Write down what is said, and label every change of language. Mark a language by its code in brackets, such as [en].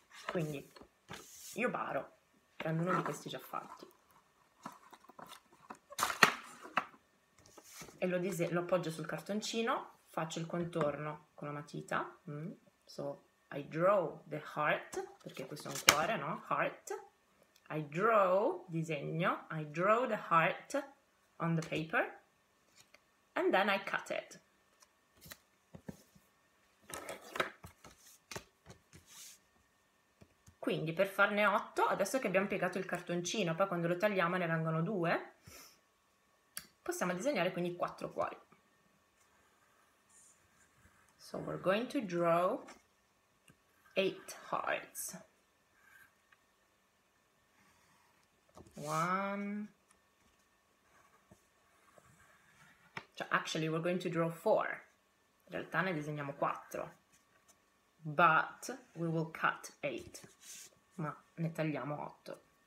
[it] Quindi io baro, prendo uno di questi già fatti. E lo appoggio sul cartoncino, faccio il contorno con la matita, [en] so I draw the heart, [it] perché questo è un cuore, no? [en] Heart, I draw, disegno, I draw the heart on the paper, and then I cut it. [it] Quindi per farne 8, adesso che abbiamo piegato il cartoncino, poi quando lo tagliamo ne rimangono 2, possiamo disegnare quindi 4 cuori. [en] So we're going to draw 8 hearts. 1. Cioè, actually we're going to draw 4. [it] In realtà ne disegniamo 4. [en] But we will cut 8. [it] Ma ne tagliamo 8.